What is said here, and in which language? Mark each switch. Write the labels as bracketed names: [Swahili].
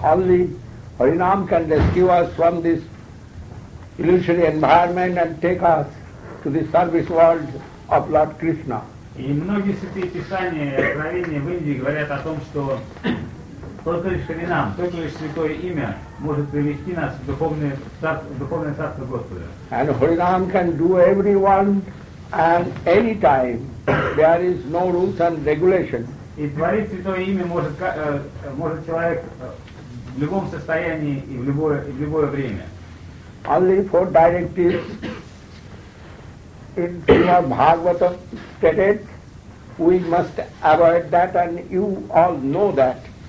[English] Only Харинам can rescue us from this illusory environment and take us to the service world of Lord Krishna. [Russian] И многие святые писания и откровения в Индии говорят о том, что только лишь Харинам, только лишь святое имя может привести нас в духовное царство Господа. [English] And Харинам can do everyone and any time there is no rules and regulation. [Russian] И творить святое имя может человек в любом состоянии и в любое время. [English] Only four directives in Srimad Bhagavatam stated, we must avoid that, and you all know that.